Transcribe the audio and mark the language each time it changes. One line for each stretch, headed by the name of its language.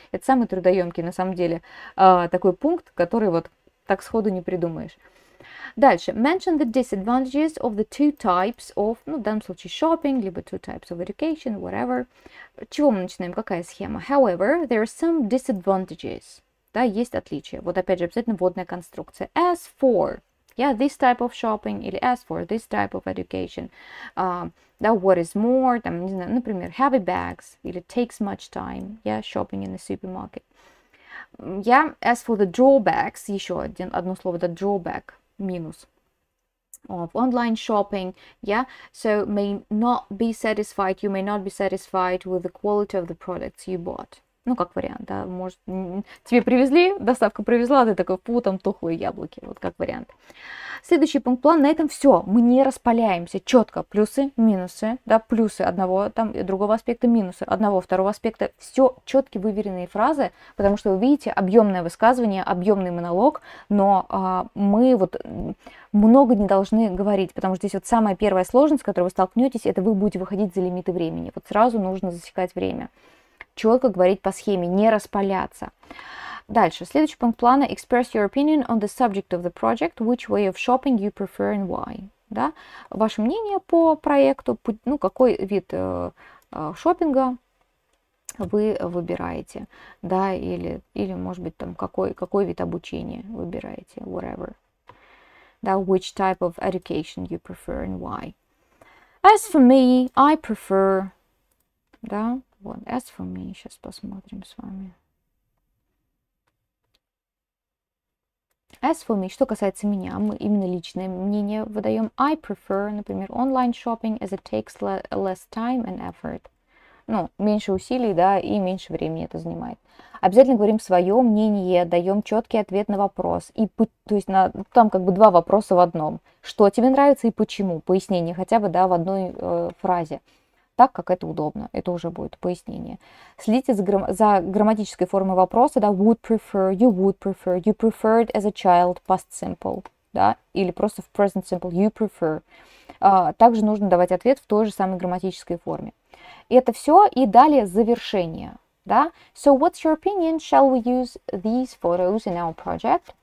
Russian: Это самый трудоемкий, на самом деле, такой пункт, который вот так сходу не придумаешь.
English: Дальше. Mention the disadvantages of the two types of,
Russian: ну, в данном случае,
English: shopping, либо two types of education, whatever.
Russian: Чего мы начинаем? Какая схема?
English: However, there are some disadvantages.
Russian: Да, есть отличия. Вот, опять же, обязательно вводная конструкция.
English: As for, yeah, this type of shopping, или as for this type of education. Да, what is more,
Russian: там, не знаю, например,
English: heavy bags, или takes much time, yeah, shopping in the supermarket. Yeah, as for the drawbacks,
Russian: еще один, одно слово,
English: the drawback.
Russian: Минус
English: of online shopping, yeah, so may not be satisfied, you may not be satisfied with the quality of the products you bought.
Russian: Ну, как вариант, да, может, тебе привезли, доставка привезла, ты такой, фу, там тухлые яблоки, вот как вариант. Следующий пункт плана, на этом все, мы не распаляемся, четко, плюсы, минусы, да, плюсы одного, там, другого аспекта, минусы одного, второго аспекта, все четкие выверенные фразы, потому что вы видите объемное высказывание, объемный монолог, но мы вот много не должны говорить, потому что здесь вот самая первая сложность, с которой вы столкнетесь, это вы будете выходить за лимиты времени, вот сразу нужно засекать время. Четко говорить по схеме, не распаляться. Дальше. Следующий пункт плана.
English: Express your opinion on the subject of the project, which way of shopping you prefer and why.
Russian: Да? Ваше мнение по проекту, ну, какой вид шопинга вы выбираете. Да, или может быть, там, какой вид обучения выбираете.
English: Whatever. Да, which type of education you prefer and why. As for me, I prefer... Да?
Russian: Вот,
English: as for me,
Russian: сейчас посмотрим с вами.
English: As for me,
Russian: что касается меня, мы именно личное мнение выдаем.
English: I prefer, например, online shopping, as it takes less time and effort.
Russian: Ну, меньше усилий, да, и меньше времени это занимает. Обязательно говорим свое мнение, даем четкий ответ на вопрос. И, то есть, там как бы два вопроса в одном. Что тебе нравится и почему? Пояснение хотя бы, да, в одной фразе. Так, как это удобно. Это уже будет пояснение. Следите за грамматической формой вопроса.
English: Да, would prefer, you would prefer, you preferred as a child, past simple.
Russian: Да, или просто в present simple,
English: you prefer.
Russian: Также нужно давать ответ в той же самой грамматической форме. И это все. И далее завершение. Да.
English: So, what's your opinion? Shall we use these photos in our project?